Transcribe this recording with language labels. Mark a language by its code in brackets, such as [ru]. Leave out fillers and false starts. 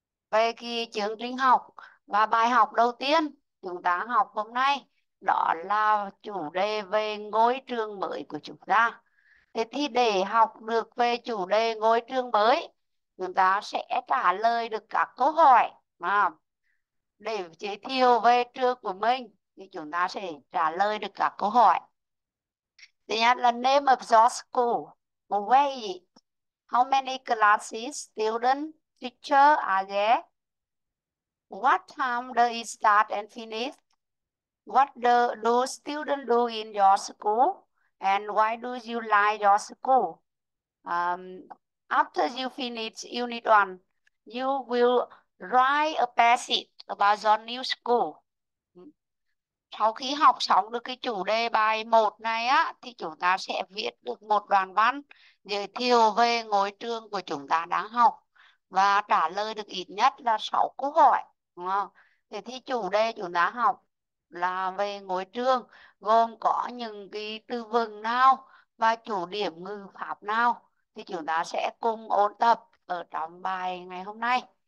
[vi] Về cái chương trình học và bài học đầu tiên chúng ta học hôm nay, đó là chủ đề về ngôi trường mới của chúng ta. Thế thì để học được về chủ đề ngôi trường mới, chúng ta sẽ trả lời được các câu hỏi mà để giới thiệu về trường của mình, thì chúng ta sẽ trả lời được các câu hỏi. Thứ nhất là [en] name of your school, where how many classes student teacher are there, what time do you start and finish, what do students do in your school, and why do you like your school? After you finish unit one, you will write a passage about your new school. [vi] Sau khi học xong được cái chủ đề bài 1 này á, thì chúng ta sẽ viết được một đoạn văn giới thiệu về ngôi trường của chúng ta đang học và trả lời được ít nhất là 6 câu hỏi. Đúng không? Thế thì chủ đề chúng ta học là về ngôi trường gồm có những cái từ vựng nào và chủ điểm ngữ pháp nào, thì chúng ta sẽ cùng ôn tập ở trong bài ngày hôm nay.